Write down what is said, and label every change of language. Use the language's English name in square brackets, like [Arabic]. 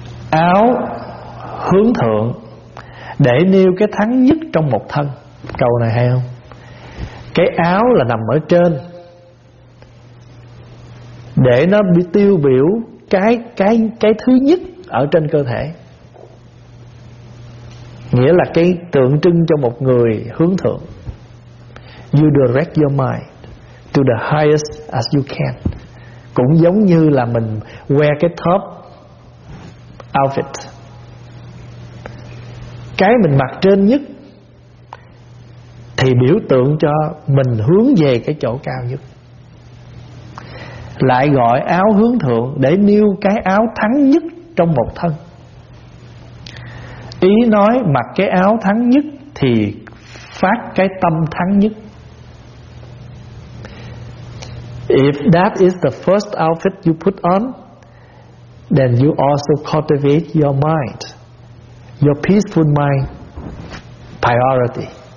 [Vietnamese] Áo hướng thượng để nêu cái thắng nhất trong một thân. Câu này hay không? Cái áo là nằm ở trên để nó bị tiêu biểu cái thứ nhất ở trên cơ thể. Nghĩa là cái tượng trưng cho một người hướng thượng. [English] You direct your mind to the highest as you can. [Vietnamese] Cũng giống như là mình wear cái top outfit. Cái mình mặc trên nhất thì biểu tượng cho mình hướng về cái chỗ cao nhất. Lại gọi áo hướng thượng để nêu cái áo thắng nhất trong một thân. Ý nói mặc cái áo thắng nhất thì phát cái tâm thắng nhất. [English] If that is the first outfit you put on, then you also cultivate your mind, your peaceful mind priority.